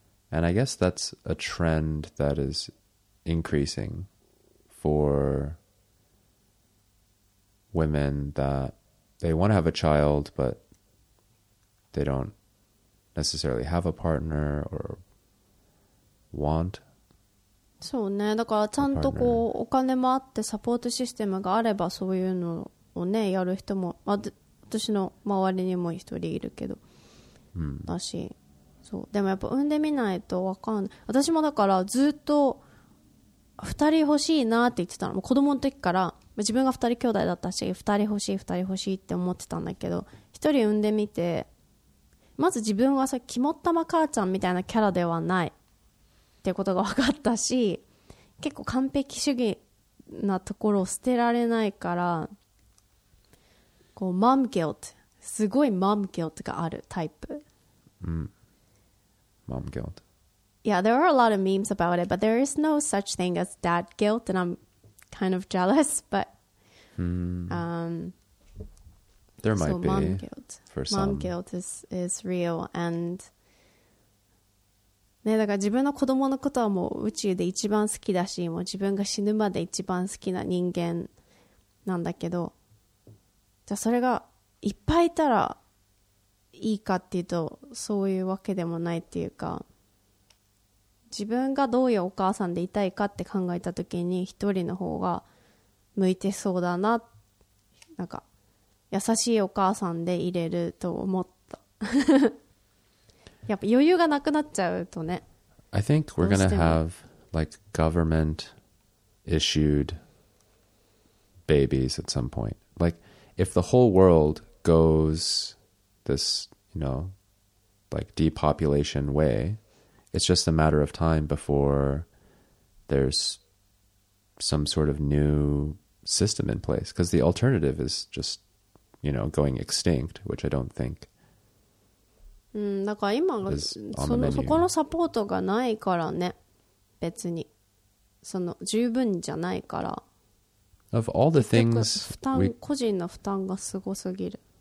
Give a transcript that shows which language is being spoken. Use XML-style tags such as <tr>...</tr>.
<en>And I guess that's a trend that is increasing for... women that they want to have a child but they don't necessarily have a partner or want</en> <ja>そうねだからちゃんとこうお金もあってサポートシステムがあればそういうのをねやる人も、まあ、私の周りにも一人いるけど、うん、だしそうでもやっぱ産んでみないと分かんない私もだからずっと 2人欲しいなって言ってたの。もう子供の時から自分が2人兄弟だったし、2人欲しい2人欲しいって思ってたんだけど、1人産んでみて、まず自分はさ、肝っ玉母ちゃんみたいなキャラではないってことが分かったし、結構完璧主義なところを捨てられないから、こうマムギルト、すごいマムギルトがあるタイプ。うん、マムギルト。</ja> <en>Yeah, there are a lot of memes about it, but there is no such thing as dad guilt, and I'm kind of jealous, but... There might be. Mom guilt. For some. Mom guilt is real, and...</en> <ja>ね、だから自分の子供のことはもう宇宙で一番好きだし、もう自分が死ぬまで一番好きな人間なんだけど、じゃあそれがいっぱいいたらいいかっていうと、そういうわけでもないっていうか、自分がどういうお母さんでいたいかって考えた時に、一人の方が向いてそうだな、なんか優しいお母さんでいれると思ったやっぱ余裕がなくなっちゃうとね。</ja> <en>I think we're gonna have like government issued babies at some point. Like if the whole world goes this, you know, like depopulation wayIt's just a matter of time before there's some sort of new system in place. Because the alternative is just, you know, going extinct, which I don't think is on the menu.</en> <ja>そこのサポートがないからね、別に。その、十分じゃないから。</ja> <en>Of all the things...</en> <ja>負担、個人の負担がすごすぎる。</ja>